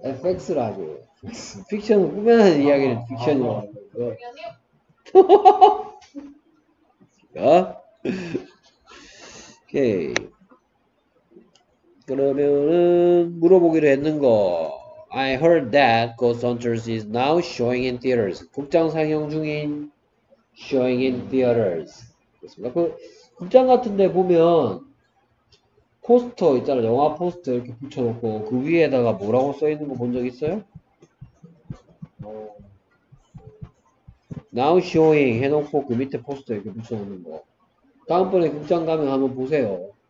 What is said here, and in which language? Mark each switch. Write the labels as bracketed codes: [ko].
[ko] FX라고 픽션은 꾸며낸 이야기는 픽션이라고 자, 오케이. 그러면은 물어보기로 했는 거. [en] I heard that Ghostbusters is now showing in theaters. [ko] 극장 상영 중인 [en] showing in theaters. [ko] 그렇습니다. 그 극장 같은데 보면 포스터 있잖아, 영화 포스터 이렇게 붙여놓고 그 위에다가 뭐라고 써 있는 거 본 적 있어요? Now showing 해놓고 그 밑에 포스터 이렇게 붙여놓는 거. 다음번에 극장 가면 한번 보세요.